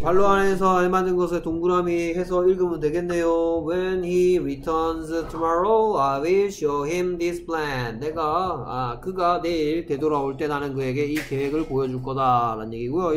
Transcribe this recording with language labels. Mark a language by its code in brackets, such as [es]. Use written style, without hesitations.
[ko] 발로 안에서 알맞은 것을 동그라미 해서 읽으면 되겠네요. [en] When he returns tomorrow, I will show him this plan. [ko] 내가 그가 내일 되돌아올 때 나는 그에게 이 계획을 보여줄 거다 라는 얘기고요.